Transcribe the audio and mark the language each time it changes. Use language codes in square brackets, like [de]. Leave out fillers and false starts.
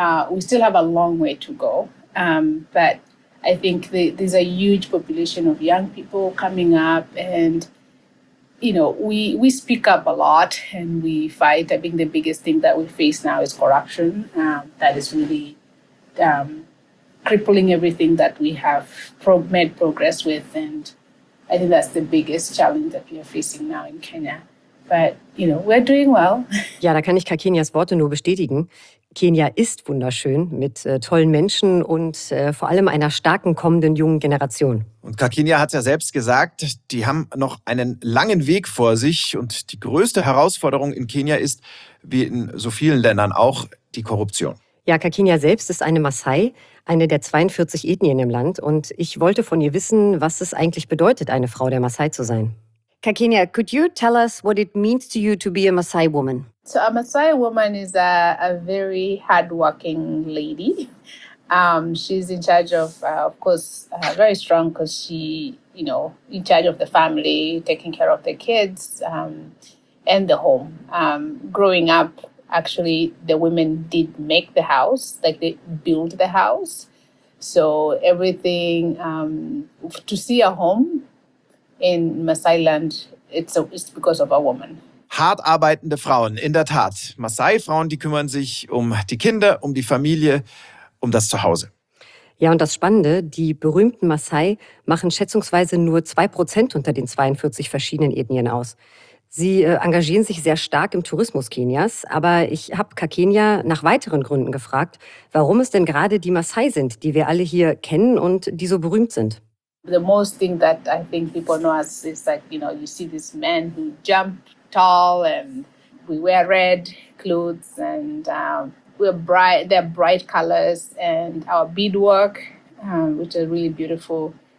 [en] We still have a long way to go, but I think there's a huge population of young people coming up, and you know, we speak up a lot and we fight. I think the biggest thing that we face now is corruption. That is really crippling everything that we have made progress with, and I think that's the biggest challenge that we are facing now in Kenya. But you know, we're doing well. [de] Ja, da kann ich Kakenias Worte nur bestätigen. Kenia ist wunderschön, mit tollen Menschen und vor allem einer starken kommenden jungen Generation. Und Kakenia hat es ja selbst gesagt, die haben noch einen langen Weg vor sich. Und die größte Herausforderung in Kenia ist, wie in so vielen Ländern auch, die Korruption. Ja, Kakenia selbst ist eine Maasai, eine der 42 Ethnien im Land. Und ich wollte von ihr wissen, was es eigentlich bedeutet, eine Frau der Maasai zu sein. [en] Kakenia, could you tell us what it means to you to be a Maasai woman? So a Maasai woman is a very hardworking lady. She's in charge of course, very strong because she, you know, in charge of the family, taking care of the kids and the home. Growing up, actually the women did make the house, like they built the house. So everything, to see a home in Maasai land, it's because of a woman. [de] Hart arbeitende Frauen, in der Tat. Maasai-Frauen, die kümmern sich um die Kinder, um die Familie, um das Zuhause. Ja, und das Spannende, die berühmten Maasai machen schätzungsweise nur 2% unter den 42 verschiedenen Ethnien aus. Sie engagieren sich sehr stark im Tourismus Kenias, aber ich habe Kakenia nach weiteren Gründen gefragt, warum es denn gerade die Maasai sind, die wir alle hier kennen und die so berühmt sind. [en] The most thing that I think people know us is like, you know, you see this man who jumped tall and we wear red clothes and we're bright, they're bright colors and our beadwork, which are really beautiful.